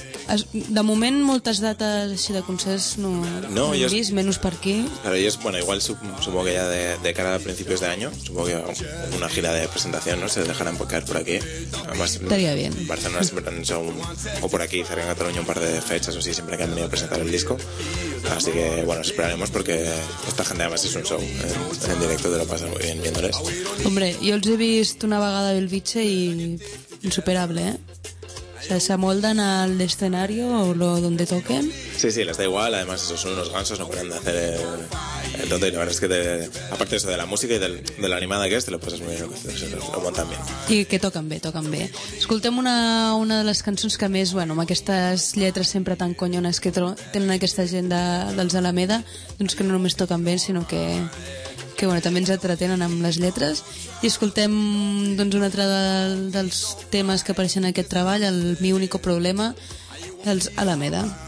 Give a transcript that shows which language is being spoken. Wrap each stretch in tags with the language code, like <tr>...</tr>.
<ca>De moment moltes dates així de concerts no he vist, menys per aquí.</ca> <es>Però ellos, bueno, igual supongo que ya de cara a principios de año, supongo que una gira de presentación, ¿no? Se dejarán caer por aquí. Además, estaría bien. Barcelona siempre han hecho o por aquí, cerca en Cataluña, un par de fechas o sí, siempre que han venido a presentar el disco. Así que, bueno, esperaremos porque esta gente además es un show. En directo te lo pasa muy bien viéndoles. Hombre, yo els he visto una vegada a Belviche y insuperable, ¿eh? O sea, se amoldan al escenario o lo donde toquen. Sí, sí, les da igual. Además, esos son unos gansos, no paran de hacer el tonto. Y la verdad es que, aparte de eso, de la música y de la animada que es, te lo pasas muy bien. Lo montan bien.</es> <ca>I que toquen bé, toquen bé. Escoltem una de les cançons que més, bueno, amb aquestes lletres sempre tan conyones que tenen aquesta gent dels Alameda, doncs que no només toquen bé, sinó que bueno, també ens entretenen amb les lletres. I escoltem doncs, un altre dels temes que apareixen en aquest treball, el Mi Único Problema, dels Alameda.</ca>